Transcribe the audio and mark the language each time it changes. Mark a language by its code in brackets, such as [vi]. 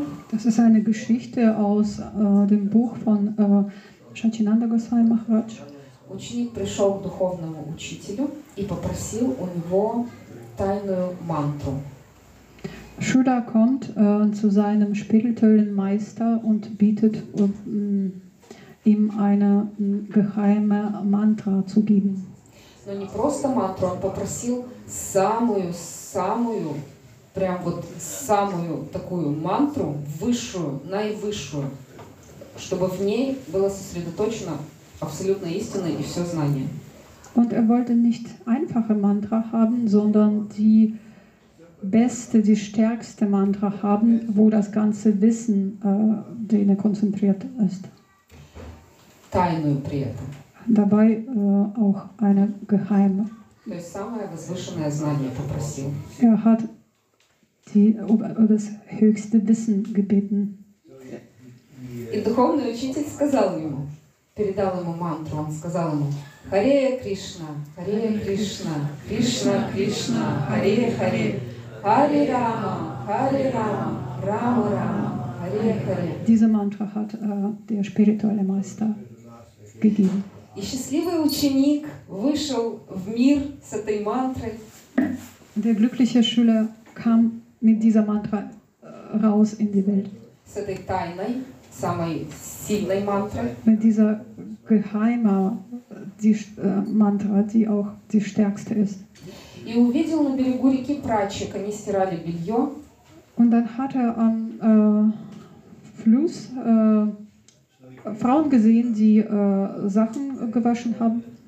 [de] Das ist eine Geschichte aus dem Buch von Шачинанда Госвами Махарадж. [ru] Ученик пришел к духовному учителю и попросил у него тайную мантру. [de] Шуда kommt zu seinem spirituellen Meister und bietet ihm eine geheime Mantra zu geben. [ru] Но не просто мантру, он попросил самую, прям вот самую такую мантру, высшую, наивысшую, чтобы в ней было сосредоточено абсолютная истина и все знание. [de] Und wollte nicht einfache Mantra haben, sondern die beste, die stärkste Mantra haben, wo das ganze Wissen drin konzentriert ist. [ru] Тайную при этом. [de] Dabei auch eine geheime. [ru] То есть самое возвышенное знание попросил. [de] Er hat das höchste Wissen gebeten. [ru] И духовный учитель сказал ему, передал ему мантру, он сказал ему: Харе Кришна, Харе Кришна, Кришна Кришна, Харе Харе, Харе Рама, Харе Рама, Рама Рама, Харе Харе. [de] Diese Mantra hat der spirituelle Meister gegeben. [ru] И счастливый ученик вышел в мир с этой мантрой. [de] Der glückliche Schüler kam mit dieser Mantra raus in die Welt. [ru] С этой тайной, самой сильной мантрой. [de] Mit dieser geheimen, Mantra, die auch die stärkste ist. [ru] И увидел на берегу реки прачек, они стирали белье. [de] Und dann hat er am Fluss Frauen gesehen, die Sachen gewaschen haben.